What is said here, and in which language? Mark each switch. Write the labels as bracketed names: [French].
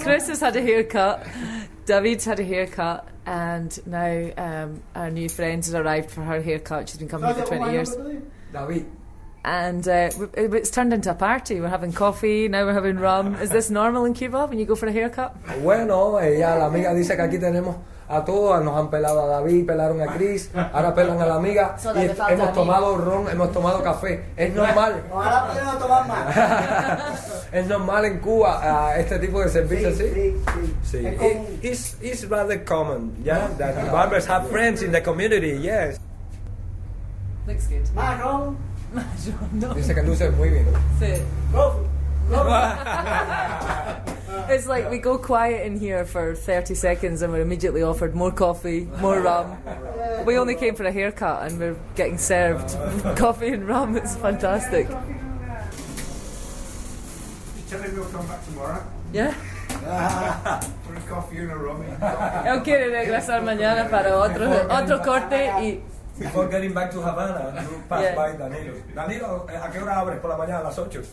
[English] Chris has had a haircut. David's had a haircut, and now our new friend has arrived for her haircut. She's been coming here for 20 years. David. And it's turned into a party. We're having coffee, now we're having rum. Is this normal in Cuba when you go for a haircut? [Spanish] Bueno, ella, la amiga dice que aquí tenemos a todos. Nos han pelado a David, pelaron a Chris, ahora pelan a la amiga. Y hemos tomado rum, hemos tomado café. Es normal. Ahora podemos tomar más. Es normal en Cuba este tipo de servicios, sí. Sí. [English] It's rather common, yeah, that barbers have friends in the community, yes. Looks good. [Spanish] Marrón. No. Dice que luces muy bien. Sí. [English] Go. It's like we go quiet in here for 30 seconds and we're immediately offered more coffee, more rum. We only came for a haircut and we're getting served coffee and rum. It's fantastic. You tell him we'll come back tomorrow. Yeah. For a coffee and a rum. [Spanish] Él quiere regresar mañana para otro corte y. [English] Before getting back to Havana, you pass by Danilo. [Spanish] Danilo, ¿a qué hora abres por la mañana? ¿A las 8?